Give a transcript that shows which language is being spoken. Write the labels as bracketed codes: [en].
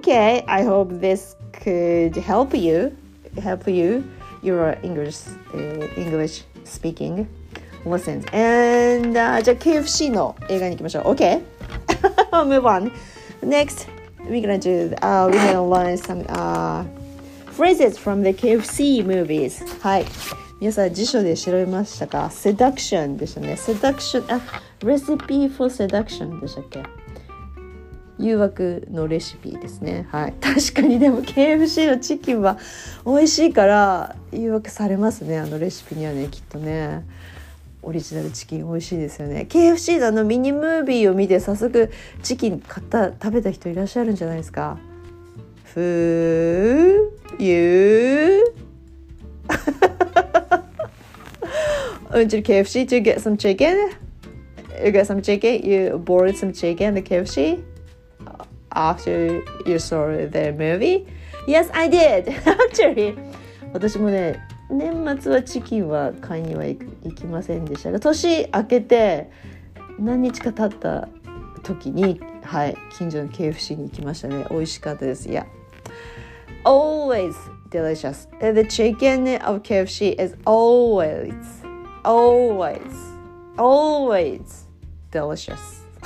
[en] OK、 I hope this could help you your English speaking lessons. [ja] And じゃあ KFC の映画に行きましょう。 [en] OK Move on NextWe're gonna do, we're gonna learn some phrases from the KFC movies. [ja] はい。皆さん辞書で調べましたか? [en] Seduction [ja] でしたね。 [en] Seduction, recipe for seduction [ja] でしたっけ? 誘惑のレシピですね。はい。確かにでも KFC のチキンは美味しいから誘惑されますね。あのレシピにはね、きっとね。オリジナルチキン美味しいですよね。KFC のあのミニムービーを見て早速チキン買った食べた人いらっしゃるんじゃないですか。 [en] Who you went to KFC to get some chicken? You got some chicken? You bought some chicken at the KFC? After you saw the movie? Yes, I did! Actually [ja] 私もね、年末はチキンは買いには行きませんでしたが、年明けて何日か経った時に、はい、近所の KFC に行きましたね。美味しかったです。いや、 [en] always delicious. And the chicken of KFC is always, always, always delicious.